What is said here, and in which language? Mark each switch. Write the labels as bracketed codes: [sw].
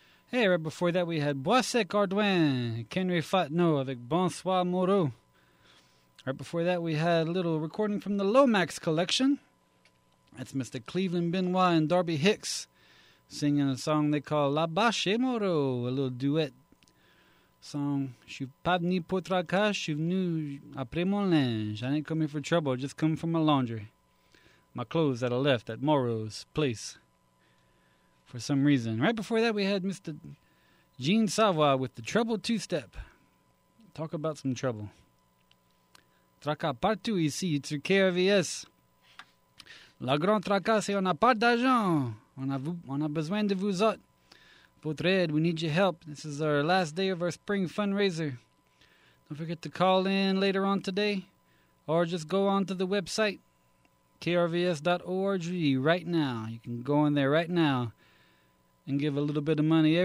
[en] Hey, right before that we had Boisec Ardouin, Kenry Fatno avec Bonsoir Moreau. Right before that we had a little recording from the Lomax Collection. That's Mr. Cleveland Benoit and Darby Hicks singing a song they call La Bache Moreau, a little duet song. [fr] Je suis pas venu pour tracas, je suis venu après mon linge. [en] I ain't coming for trouble, just coming for my laundry. My clothes that I left at Moreau's place for some reason. Right before that, we had Mr. Gene Savoy with the Trouble Two-Step. Talk about some trouble. [fr] Traca partout ici, sur KRVS. La grande traca, c'est on a pas d'argent. On a besoin de vous autres. Votre aide, [en] we need your help. This is our last day of our spring fundraiser. Don't forget to call in later on today or just go on to the website. KRVS.org right now. You can go in there right now and give a little bit of money.